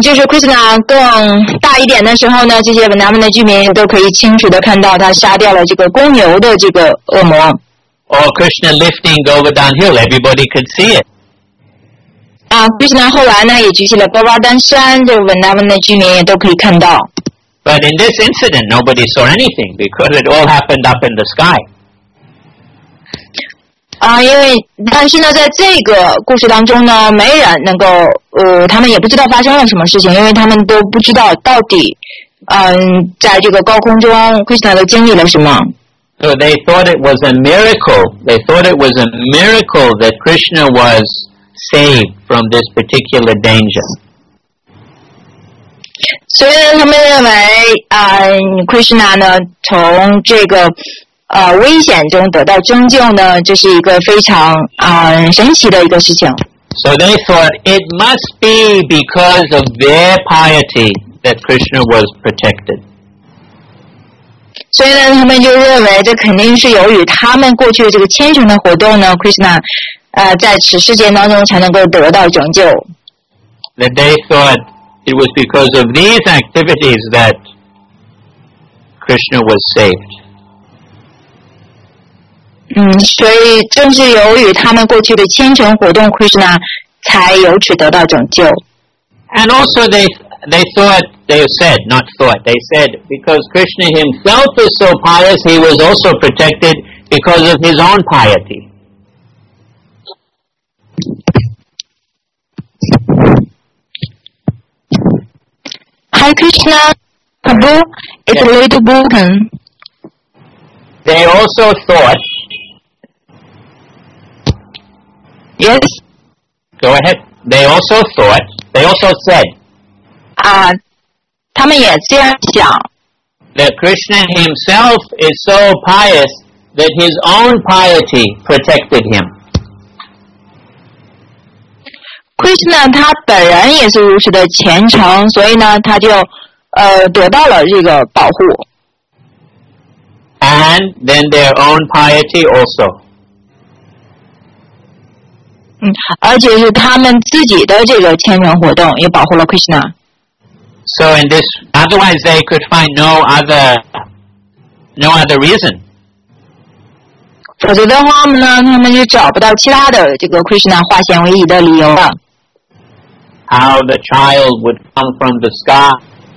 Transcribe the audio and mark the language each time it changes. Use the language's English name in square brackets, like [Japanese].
[Chinese] 就是 Krishna 更大一点的时候呢，这些南门的居民都可以清楚的看到他杀掉了这个公牛的这个恶魔。 [English] Or Krishna lifting Govardhan Hill, everybody could see it. [Chinese] Krishna 后来呢也举起了 Govardhan 山，这南门的居民也都可以看到。 [English] But in this incident, nobody saw anything because it all happened up in the sky. [Chinese] 因为但是呢在这个故事当中呢没人能够他们也不知道发生了什么事情因为他们都不知道到底在这个高空中 Krishna 都经历了什么 [English] So they thought it was a miracle They thought it was a miracle that Krishna was saved from this particular danger [Chinese] 所以他们认为Krishna 呢从这个危险中得到拯救呢，这是一个非常神奇的一个事情。 [English] So they thought it must be because of their piety that Krishna was protected. [Chinese] 所以呢，他们就认为这肯定是由于他们过去的这个虔诚的活动呢 ，Krishna 在此世间当中才能够得到拯救。 [English] That they thought it was because of these activities that Krishna was saved. [Chinese] 所以正是由于他们过去的虔诚活动 Krishna 才由此得到拯救 [English] And also they said because Krishna himself is so pious he was also protected because of his own piety Hi Krishna Prabhu it's a little broken They also thought Yes. Go ahead. They also thought, they also said, [Chinese] 他们也这样想 [English] that Krishna himself is so pious that his own piety protected him. [Chinese] Krishna 他本人也是如此的虔诚，所以呢，他就得到了这个保护。 [English] And then their own piety also. [Chinese] 而且是他们自己的这个虔诚活动也保护了 Krishna [English] So in this Otherwise they could find no other reason [Chinese] 否则的话呢他们就找不到其他的这个 Krishna 化险为夷的理由了 [English] How the child would come from the sky